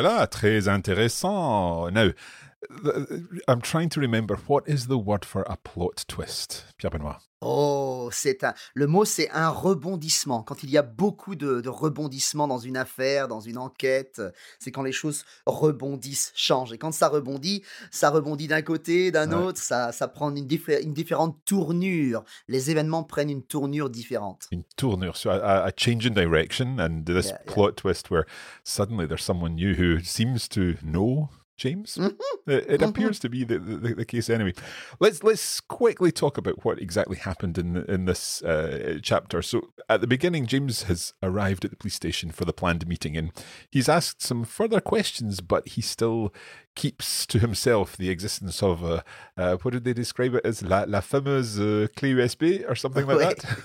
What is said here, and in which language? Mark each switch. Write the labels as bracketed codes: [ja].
[fr] très intéressant. [en] Now, I'm trying to remember, what is the word for a plot twist, Pierre Benoît? [fr] Oh, le mot, c'est un rebondissement. Quand il y a beaucoup de rebondissements dans une affaire, dans une enquête, c'est quand les choses rebondissent, changent. Et quand ça rebondit d'un côté, d'un autre, ça prend une différente tournure. Les événements prennent une tournure différente. Une tournure, [en] so a change in direction, and this plot twist where suddenly there's someone new who seems to know James, it appears to be the case anyway. Let's quickly talk about what exactly happened in this chapter. So at the beginning, James has arrived at the police station for the planned meeting, and he's asked some further questions, but he still keeps to himself the existence of what did they describe it as, [fr] la fameuse clé USB [en] or something like that.